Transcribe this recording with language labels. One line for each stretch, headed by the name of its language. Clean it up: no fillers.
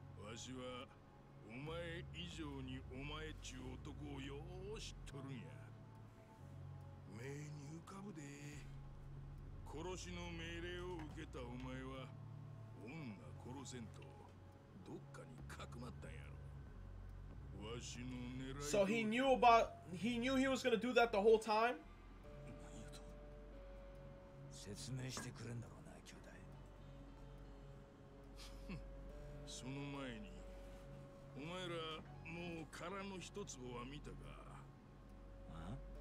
Japanese: わしはお前以上にお前っちゅう男をよう知っとるんや。目に浮かぶで。殺しの命令を受けたお前は、女殺せんとどっかにかくまったんやろ。わしの狙い。
English: So he knew about. He knew he was gonna do that the whole time.
Japanese: 何やと。説明してくれんだろうな、兄弟。その前に、お前らもう殻の一つは見たか。あ？